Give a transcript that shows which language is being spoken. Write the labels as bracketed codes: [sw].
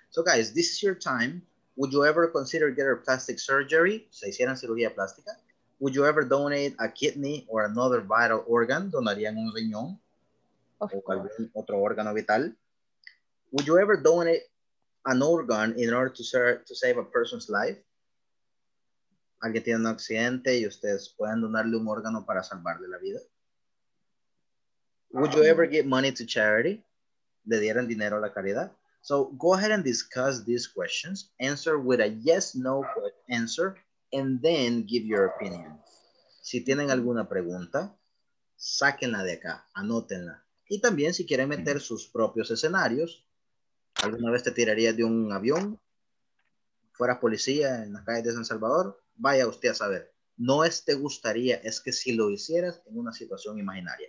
[en] So guys, this is your time. Would you ever consider getting plastic surgery? [es] ¿Se hicieran cirugía plástica? [en] Would you ever donate a kidney or another vital organ? [es] ¿Donarían un riñón? ¿O algún otro órgano vital? [en] Would you ever donate an organ in order to save a person's life? [es] ¿Alguien tiene un accidente y ustedes pueden donarle un órgano para salvarle la vida? [en] Would you ever give money to charity? [es] ¿Le dieran dinero a la caridad? [en] So go ahead and discuss these questions. Answer with a yes, no answer, and then give your opinion. [es] Si tienen alguna pregunta, sáquenla de acá, anótenla. Y también si quieren meter sus propios escenarios, ¿alguna vez te tirarías de un avión? ¿Fueras policía en las calles de San Salvador? Vaya usted a saber. No es te gustaría, es que si lo hicieras en una situación imaginaria.